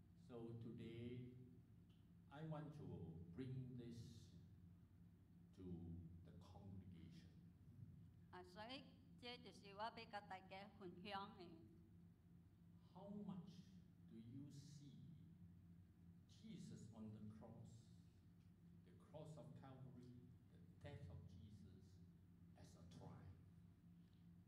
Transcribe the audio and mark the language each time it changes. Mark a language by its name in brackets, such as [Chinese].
[English] So today, I want to bring this to the congregation. [Chinese] 啊，所以这就是我要跟大家分享的。 [English] How much do you see Jesus on the cross? The cross of Calvary, the death of Jesus as a triumph.